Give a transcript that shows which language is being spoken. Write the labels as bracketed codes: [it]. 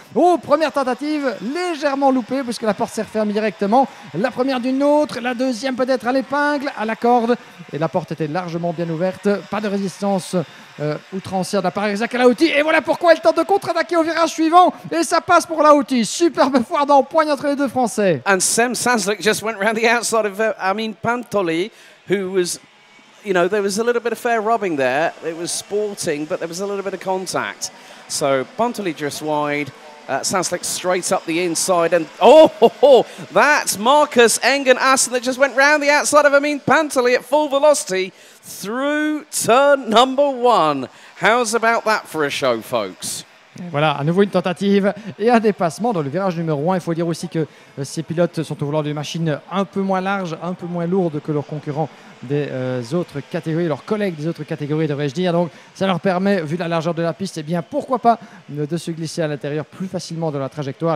[fr] Oh, première tentative, légèrement loupée puisque la porte s'est refermée directement. La première d'une autre, la deuxième peut-être à l'épingle, à la corde. Et la porte était largement bien ouverte. Pas de résistance outrancière de la part d'Isaac El Haouti. Et voilà pourquoi il tente de contre-attaquer au virage suivant. Et ça passe pour Haouti. Superbe foire d'empoigne entre les deux Français. [en] And Tsem Zalik just went around the outside of Amin Pantoli, who was, you know, there was a little bit of fair rubbing there. It was sporting, but there was a little bit of contact. So Pantoli just wide. Zalik straight up the inside. And that's Marcus Egan Hansen that just went round the outside of Amin Pantoli at full velocity through turn number 1. How's about that for a show, folks? [fr] Voilà, à nouveau une tentative et un dépassement dans le virage numéro 1. Il faut dire aussi que ces pilotes sont au volant d'une machine un peu moins large, un peu moins lourde que leurs concurrents des autres catégories, leurs collègues des autres catégories, devrais-je dire. Donc, ça leur permet, vu la largeur de la piste, eh bien, pourquoi pas de se glisser à l'intérieur plus facilement de la trajectoire.